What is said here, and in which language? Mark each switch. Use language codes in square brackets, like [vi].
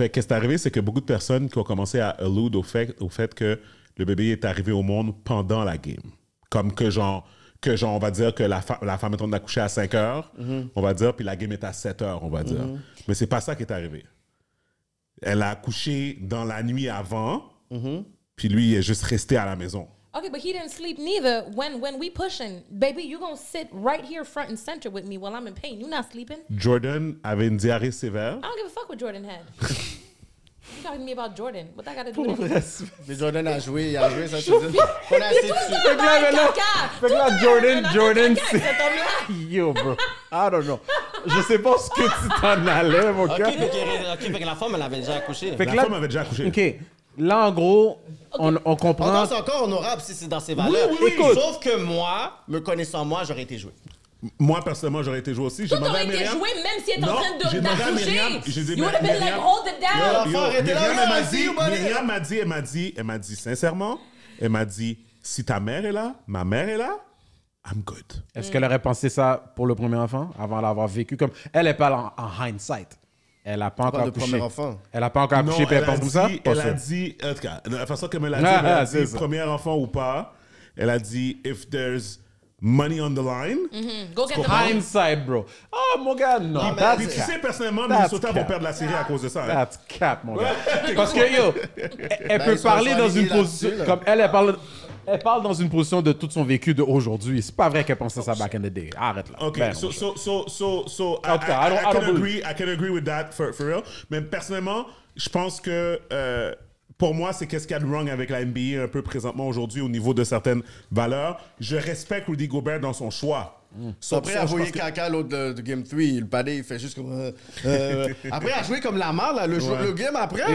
[fr] Fait que ce qui est arrivé, c'est que beaucoup de personnes qui ont commencé à allude au fait que le bébé est arrivé au monde pendant la game. Comme que genre, on va dire que la femme est en train d'accoucher à 5 heures, on va dire, puis la game est à 7 heures, on va dire. Mais c'est pas ça qui est arrivé. Elle a accouché dans la nuit avant, puis lui, il est juste resté à la maison. [en] Okay, but he didn't sleep neither. When we pushing, baby, you gonna sit right here front and center with me while I'm in pain. You not sleeping. [fr] Jordan avait une diarrhée sévère. [en] I don't give a fuck what Jordan had. You talking to me about Jordan. What that got to do with it? [fr] Mais Jordan a joué, il a joué, ça c'est dit. On a assez. Fait que là, [en] Jordan, c'est... Yo, bro. I don't know. [fr] Je sais pas ce que tu t'en allais, mon gars. OK, fait que la femme, elle avait déjà accouché. La femme avait déjà accouché. OK. Là, en gros, on comprend... Encore, c'est encore honorable si c'est dans ses valeurs. Oui, oui, sauf que moi, me connaissant moi, j'aurais été joué. Moi, personnellement, j'aurais été joué aussi. Tu aurais été joué même si elle est en train d'accoucher. J'ai dit, [en] you would have been like, hold it down. [fr] Myriam m'a dit, sincèrement, elle m'a dit, si ta mère est là, ma mère est là, [en] I'm good. [fr] Est-ce qu'elle aurait pensé ça pour le premier enfant, avant d'avoir vécu comme... Elle n'est pas là en hindsight. Elle n'a pas encore accouché. Pas de premier enfant. Elle n'a pas encore accouché, puis elle pense comme ça? Elle a dit, en tout cas, de la façon qu'elle me l'a dit, elle a dit premier enfant ou pas, elle a dit, [en] if there's money on the line, go get the money. Hindsight, bro. Oh, [fr] mon gars, non. Puis tu sais, personnellement, Minnesota va perdre la série à cause de ça. [en] That's cap, mon gars. [fr] Parce que, yo, elle peut parler dans une position, comme elle parle dans une position de tout son vécu d'aujourd'hui. C'est pas vrai qu'elle pensait ça [en] back in the day. [fr] Arrête là. [en] OK, I can agree with that for real. [fr] Mais personnellement, je pense que pour moi, c'est qu'est-ce qu'il y a de wrong avec la NBA un peu présentement aujourd'hui au niveau de certaines valeurs. Je respecte Rudy Gobert dans son choix. Après, elle voyait caca l'autre de Game 3. Le padé, il fait juste comme... après, elle jouait comme la mare, là. Le game après,